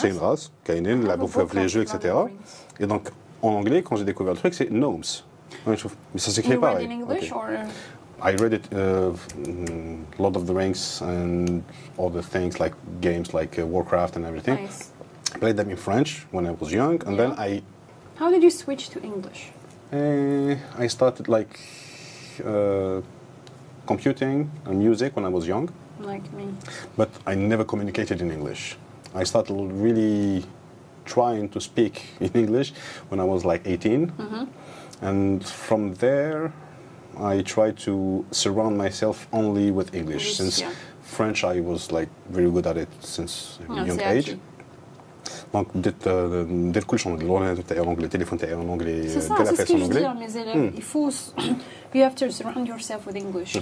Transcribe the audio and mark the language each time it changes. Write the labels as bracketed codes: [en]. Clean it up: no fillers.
[fr] C'est une race, Kainin, la bouffe, les jeux, etc. Et donc, en anglais, quand j'ai découvert le truc, c'est gnomes. Ouais, mais ça s'écrit pareil. [en] You read it in English, Or? I read it, Lord of the Rings, and other things, like games, like Warcraft and everything. Nice. I played them in French when I was young, and then I... How did you switch to English? I started, like, computing and music when I was young. Like me. But I never communicated in English. I started really trying to speak in English when I was, like, 18. Mm-hmm. And from there, I tried to surround myself only with English. Since French, I was, like, really good at it since young age. Actually. [fr] Donc, dès le coup, je suis en anglais, le téléphone est en anglais, c'est ça, c'est ce que je dis à mes élèves. Il faut, [en] you have to surround yourself with English.